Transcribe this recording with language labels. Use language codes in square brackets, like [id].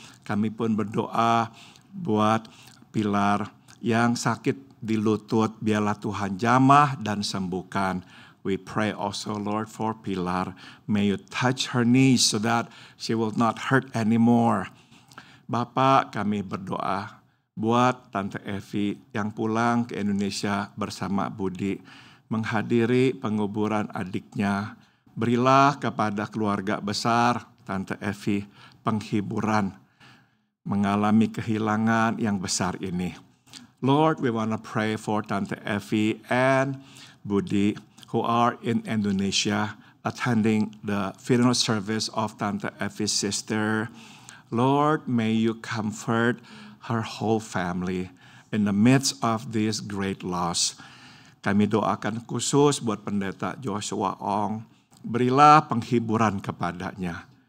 [id] Kami pun berdoa buat Pilar yang sakit di lutut, biarlah Tuhan jamah dan sembuhkan. [en] We pray also, Lord, for Pilar. May you touch her knees so that she will not hurt anymore. [id] Bapak, kami berdoa buat Tante Evi yang pulang ke Indonesia bersama Budi menghadiri penguburan adiknya. Berilah kepada keluarga besar Tante Evi penghiburan mengalami kehilangan yang besar ini. [en] Lord, we want to pray for Tante Evi and Budi who are in Indonesia attending the funeral service of Tante Evi's sister. Lord, may you comfort her whole family in the midst of this great loss. [id] Kami doakan khusus buat Pendeta Joshua Ong. Berilah penghiburan kepadanya.